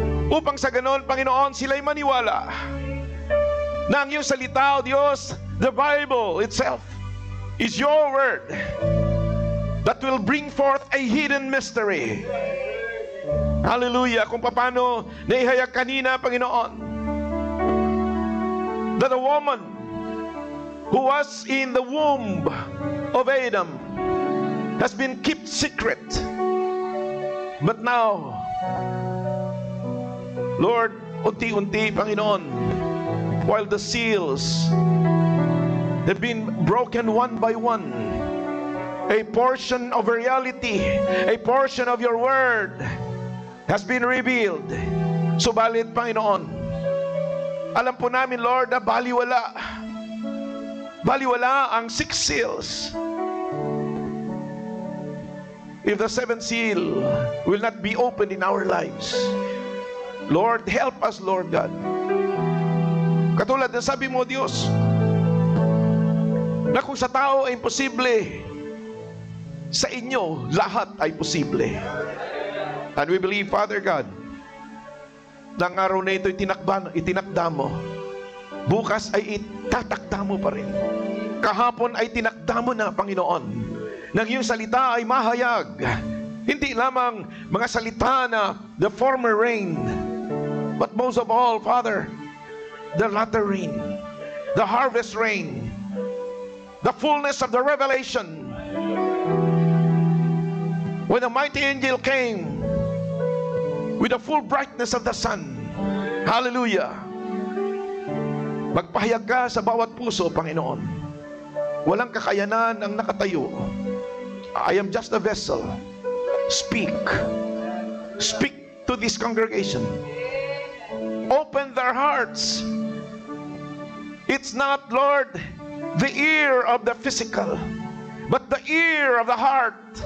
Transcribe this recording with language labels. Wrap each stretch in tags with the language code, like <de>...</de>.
<tl>Upang sa ganon, Panginoon, sila'y maniwala na ang iyong salita, O Diyos,</tl> <en>the Bible itself, is your word that will bring forth a hidden mystery. Hallelujah.</en> <tl>Kung paano naihayag kanina, Panginoon,</tl> <en>that a woman who was in the womb of Adam has been kept secret. But now, Lord,</en> <tl>unti-unti, Panginoon,</tl> <en>while the seals have been broken one by one, a portion of reality, a portion of your word has been revealed.</en> <tl>Subalit, Panginoon, alam po namin, Lord, na baliwala. Baliwala ang six seals.</tl> <en>If the seventh seal will not be opened in our lives, Lord, help us, Lord God.</en> <tl>Katulad ng sabi mo, Diyos, na kung sa tao ay imposible, sa inyo lahat ay posible.</tl> <en>And we believe, Father God,</en> <tl>na ang araw na ito itinakda mo, bukas ay itatakda mo pa rin, kahapon ay tinakda mo na, Panginoon, nang iyong salita ay mahayag, hindi lamang mga salita na</tl> <en>the former rain, but most of all, Father, the latter rain, the harvest rain, the fullness of the revelation. When a mighty angel came with the full brightness of the sun, hallelujah,</en> <tl>magpahayag ka sa bawat puso, Panginoon. Walang kakayanan ang nakatayo.</tl> <en>I am just a vessel. Speak. Speak to this congregation. Open their hearts. It's not, Lord, the ear of the physical, but the ear of the heart.</en>